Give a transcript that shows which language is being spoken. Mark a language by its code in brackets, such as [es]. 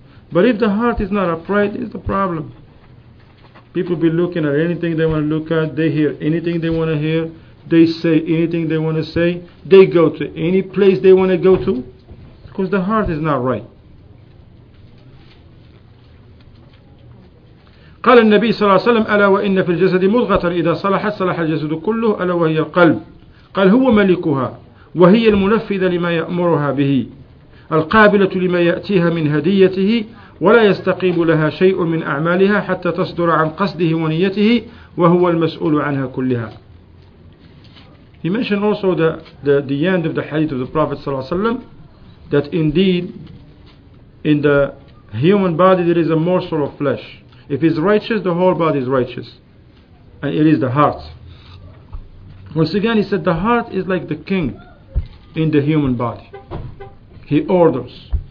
[en] But if the heart is not upright, it's the problem. People be looking at anything they want to look at. They hear anything they want to hear. They say anything they want to say. They go to any place they want to go to, because the heart is not right. [ar] قال النبي صلى الله عليه وسلم ألا وإن في الجسد مضغة إذا صلحت صلح الجسد كله ألا وهي القلب. قال هو ملكها وهي المنفذة لما يأمرها به القابلة لما يأتيها من هديته ولا يستقيم لها شيء من أعمالها حتى تصدر عن قصده ونيته وهو المسؤول عنها كلها. [en] He mentioned also the end of the hadith of the Prophet [ar] صلى الله عليه وسلم [en] that indeed in the human body there is a morsel of flesh. If it's righteous, the whole body is righteous. And it is the heart. Once again, he said the heart is like the king in the human body. He orders.